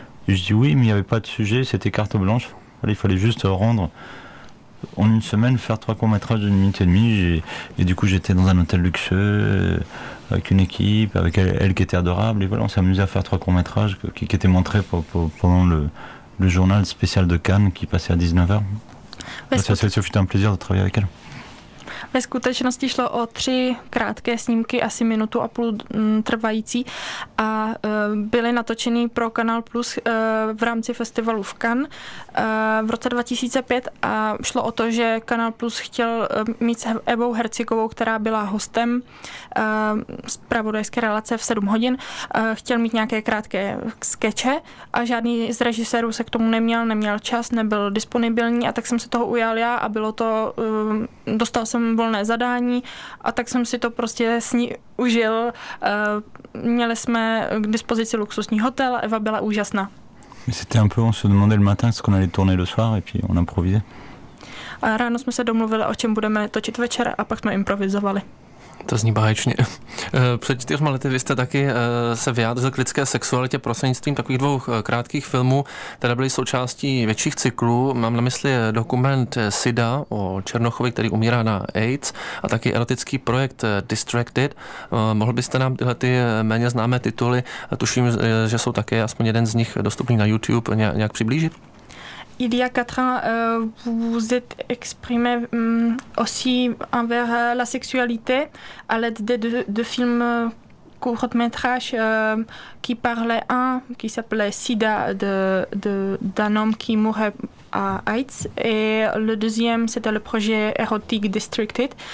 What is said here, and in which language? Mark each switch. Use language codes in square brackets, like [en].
[fr] Et je dis oui, mais il n'y avait pas de sujet, c'était carte blanche. Alors, il fallait juste rendre en une semaine, faire 3 courts-métrages d'une minute et demie. Et du coup j'étais dans un hôtel luxueux avec une équipe, avec elle qui était adorable. Et voilà, on s'est amusé à faire 3 courts-métrages qui étaient montrés pendant le journal spécial de Cannes qui passait à 19h. Ça fut un plaisir de travailler avec elle. [cs] Ve skutečnosti šlo o 3 krátké snímky, asi minutu a půl trvající a byly natočeny pro Canal+ v rámci festivalu v Cannes v roce 2005 a šlo o to, že Canal+ chtěl mít s Evou Herzigovou, která byla hostem zpravodajské relace v 7 hodin, chtěl mít nějaké krátké skeče a žádný z režisérů se k tomu neměl čas, nebyl disponibilní a tak jsem se toho ujal já a bylo to, dostal jsem volné zadání a tak jsem si to prostě s ní užil. Měli jsme k dispozici luxusní hotel, Eva byla úžasná. [fr] C'était un peu, on se demandait le matin ce qu'on allait tourner le soir et puis on improvisait. [cs] A ráno jsme se domluvili, o čem budeme točit večer, a pak jsme improvizovali. To zní báječně. Před 4 lety vy jste taky se vyjádřil k lidské sexualitě prostřednictvím takových dvou krátkých filmů, které byly součástí větších cyklů. Mám na mysli dokument Sida o Černochovi, který umírá na AIDS, a taky erotický projekt Distracted. Mohl byste nám tyhle ty méně známé tituly, tuším, že jsou také aspoň jeden z nich dostupný na YouTube, nějak přiblížit? [fr] Il y a 4 ans, vous vous êtes exprimé aussi envers la sexualité à l'aide de films courts-métrages qui parlaient un qui s'appelait Sida d'un homme qui mourait à AIDS, et le deuxième c'était le projet érotique Distracted.